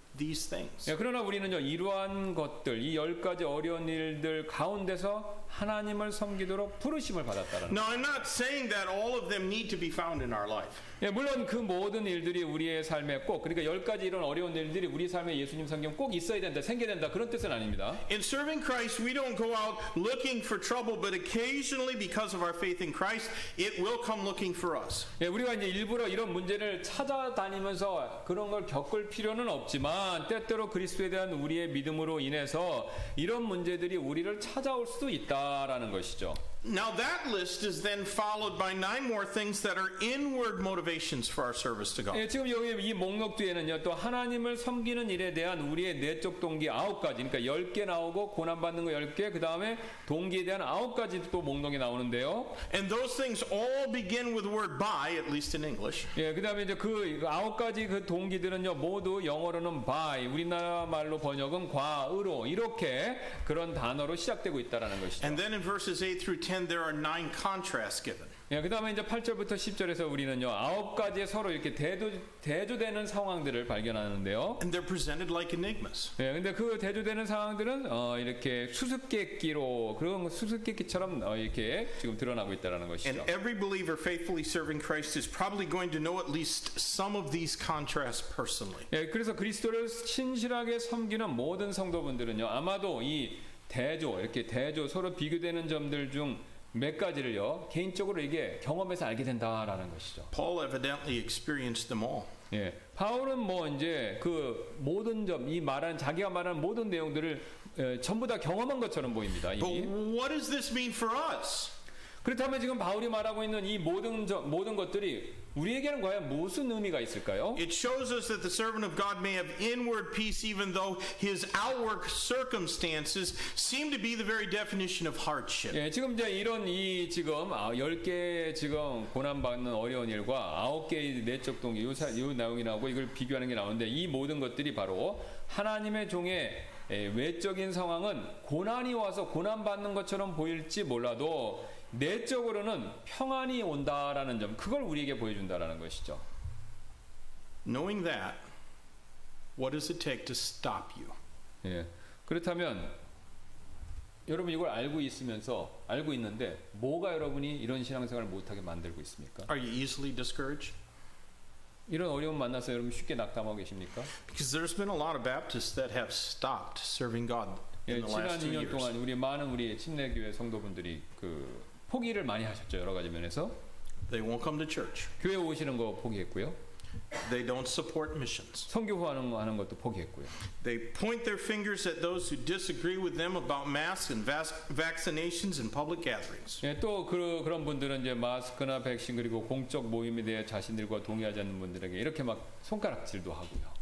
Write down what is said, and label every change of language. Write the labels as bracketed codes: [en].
[en] these things. [ko] 그러나 우리는요 이러한 것들 이 열 가지 어려운 일들 가운데서 하나님을 섬기도록 부르심을 받았다라는. [en] Now I'm not saying that all of them need to be found in our life. [ko] 예, 물론 그 모든 일들이 우리의 삶에 꼭 그러니까 열 가지 이런 어려운 일들이 우리 삶에 예수님 섬김 꼭 있어야 된다 생겨야 된다 그런 뜻은 아닙니다. [en] In serving Christ, we don't go out looking for trouble, but occasionally, because of our faith in Christ, it will come looking for us. [ko] 예, 우리가 이제 일부러 이런 문제를 찾아다니면서 그런 걸 겪을 필요는 없지만 때때로 그리스도에 대한 우리의 믿음으로 인해서 이런 문제들이 우리를 찾아올 수도 있다라는 것이죠. [en] Now that list is then followed by 9 more things that are inward motivations for our service to God. [ko] 예, 지금 여기 이 목록 뒤에는요, 또 하나님을 섬기는 일에 대한 우리의 내적 동기 9가지, 그러니까 10개 나오고 고난 받는 거 10개, 그 다음에 동기에 대한 9가지 또 목록이 나오는데요. [en] And those things all begin with the word by, at least in English. [ko] 예, 그 다음에 이제 그 9가지 그 동기들은요, 모두 영어로는 by, 우리나라 말로 번역은 과으로 이렇게 그런 단어로 시작되고 있다라는 것이죠. [en] And then in verses 8 through 10 there are 9 contrasts given. [ko] 예, 그다음에 이제 8절부터 10절에서 우리는요. 아홉 가지의 서로 이렇게 대조되는 상황들을 발견하는데요. [en] And they're presented like enigmas. [ko] 예, 근데 그 대조되는 상황들은 이렇게 수수께끼로 그런 수수께끼처럼 이렇게 지금 드러나고 있다라는 것이죠. [en] And every believer faithfully serving Christ is probably going to know at least some of these contrasts personally. [ko] 예, 그래서 그리스도를 신실하게 섬기는 모든 성도분들은요. 아마도 이 대조 이렇게 대조 서로 비교되는 점들 중 몇 가지를요 개인적으로 이게 경험해서 알게 된다라는 것이죠. [en] Paul evidently experienced them all. [ko] 예, 바울은 뭐 이제 그 모든 점 이 말한 자기가 말한 모든 내용들을 예, 전부 다 경험한 것처럼 보입니다. 이미. [en] But what does this mean for us? [ko] 그렇다면 지금 바울이 말하고 있는 이 모든 점 모든 것들이 우리에게는 과연 무슨 의미가 있을까요? [en] It shows us that the servant of God may have inward peace even though his outward circumstances seem to be the very definition of hardship. [ko] 예, 지금 이제 이런 이 지금 10개 지금 고난 받는 어려운 일과 9개의 내적 동기 요 내용이 나오고 이걸 비교하는 게 나오는데 이 모든 것들이 바로 하나님의 종의 예, 외적인 상황은 고난이 와서 고난 받는 것처럼 보일지 몰라도 내적으로는 평안이 온다라는 점, 그걸 우리에게 보여준다라는 것이죠. [en] Knowing that, what does it take to stop you? [ko] 예, 그렇다면 여러분 이걸 알고 있으면서 알고 있는데 뭐가 여러분이 이런 신앙생활을 못하게 만들고 있습니까? [en] Are you easily discouraged? [ko] 이런 어려움 만나서 여러분 쉽게 낙담하고 계십니까? [en] Because there's been a lot of Baptists that have stopped serving God in the last 2 years. [ko] 지난 2년 동안 우리 많은 우리 침례교회 성도분들이 그 포기를 많이 하셨죠 여러 가지 면에서. [en] They won't come to church. [ko] 교회 오시는 거 포기했고요. [en] They don't support missions. [ko] 선교 후원 하는 것도 포기했고요. [en] They point their fingers at those who disagree with them about masks and vaccinations and public gatherings. [ko] 예, 또 그런 분들은 이제 마스크나 백신 그리고 공적 모임에 대해 자신들과 동의하지 않는 분들에게 이렇게 막 손가락질도 하고요.